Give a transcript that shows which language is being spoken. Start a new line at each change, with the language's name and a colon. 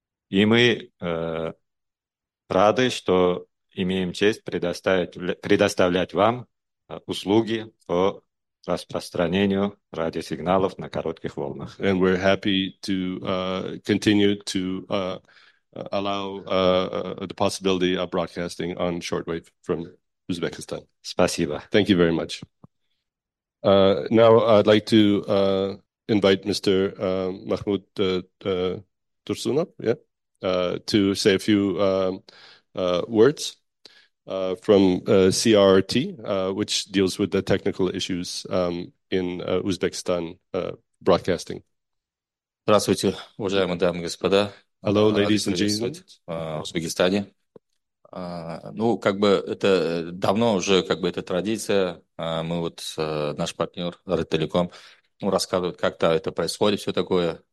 Russian: И мы рады, что имеем честь предоставлять вам услуги по распространению радиосигналов на коротких волнах.
English: And we're happy to continue to allow the possibility of broadcasting on shortwave from Uzbekistan.
Russian: Спасибо.
English: Thank you very much. Now I'd like to invite Mr. Mahmoud Tursunov, to say a few words from CRRT, which deals with the technical issues in Uzbekistan broadcasting.
Russian: Здравствуйте, уважаемые дамы и господа.
English: Hello, ladies and gentlemen.
Russian: В Узбекистане. Ну, как бы это давно уже как бы это традиция. Мы вот наш партнер Ritelecom рассказывает, как-то это происходит, все такое.